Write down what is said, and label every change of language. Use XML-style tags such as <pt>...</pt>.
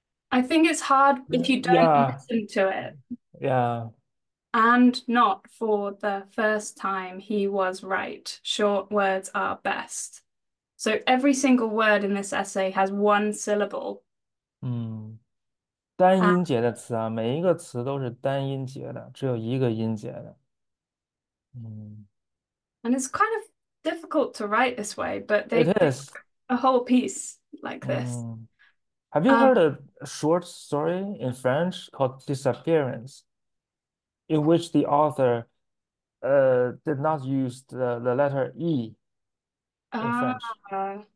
<en>I think it's hard if you don't listen to it. And not for the first time, he was right. Short words are best. So every single word in this essay has one syllable.</en> <zh>单音节的词啊，每一个词都是单音节的，只有一个音节的。</zh> <en>And it's kind of difficult to write this way, but It they is. wrote a whole piece like this. Have you heard a short story in French called Disappearance, in which the author did not use the letter E in French?</en>